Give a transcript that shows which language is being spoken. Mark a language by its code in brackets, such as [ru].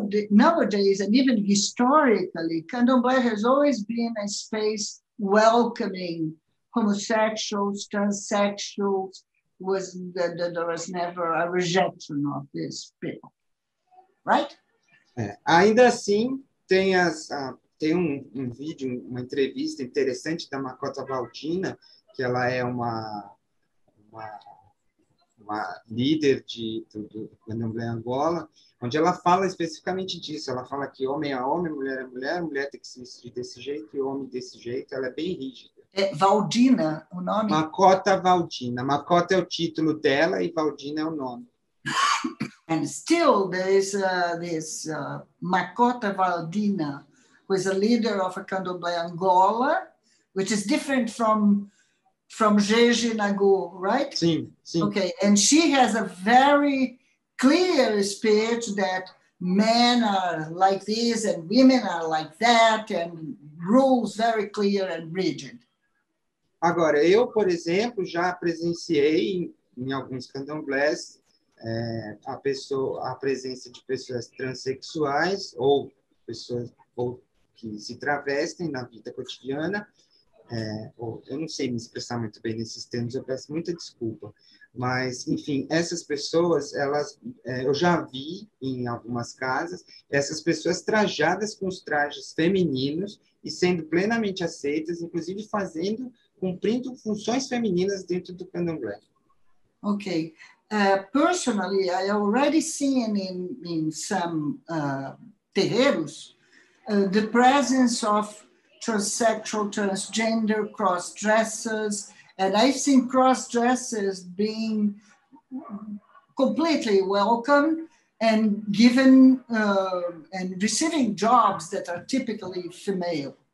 [en] Nowadays, and even historically, candomblé has always been a space welcoming homosexuals, transsexuals. There was never a rejection of this people. Right? [pt] Ainda assim, tem um vídeo, uma entrevista interessante da Makota Valdina, que ela é uma líder do Candomblé Angola, onde ela fala especificamente disso. Ela fala que homem é homem, mulher é mulher, mulher tem que se vestir desse jeito e homem desse jeito. Ela é bem rígida. É Valdina o nome? Makota Valdina. Makota é o título dela e Valdina é o nome. [en] And still, there is this Makota Valdina, who is a leader of a candomblé Angola, which is different from Jeje Nagô, right? [pt] Sim, sim. [en] Okay, and she has a very clear speech that men are like this and women are like that, and rules very clear and rigid. [pt] Agora, eu, por exemplo, já presenciei em alguns candomblés a presença de pessoas transexuais ou pessoas que se travestem na vida cotidiana. Eu não sei me expressar muito bem nesses termos, eu peço muita desculpa. Mas, enfim, essas pessoas, eu já vi em algumas casas, essas pessoas trajadas com os trajes femininos e sendo plenamente aceitas, inclusive cumprindo funções femininas dentro do candomblé. Ok. [en] Personally, I already seen in some terreiros the presence of transsexual, transgender, cross-dressers, and I've seen cross-dressers being completely welcome and given and receiving jobs that are typically female.